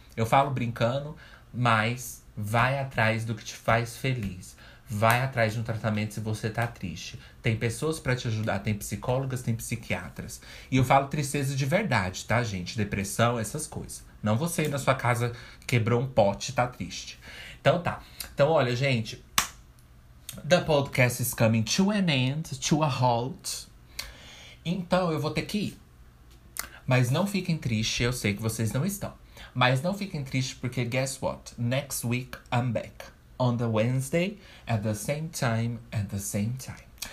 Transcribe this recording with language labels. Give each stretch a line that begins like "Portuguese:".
Portuguese: Eu falo brincando, mas vai atrás do que te faz feliz. Vai atrás de um tratamento se você tá triste. Tem pessoas pra te ajudar, tem psicólogas, tem psiquiatras. E eu falo tristeza de verdade, tá, gente? Depressão, essas coisas. Não você ir na sua casa, quebrou um pote e tá triste. Então tá. Então olha, gente.
English: The podcast is coming to an end, to a halt.
Portuguese: Então eu vou ter que ir. Mas não fiquem tristes, eu sei que vocês não estão. Mas não fiquem tristes porque
English: guess what? Next week I'm back. On the Wednesday, at the same time, at the same time.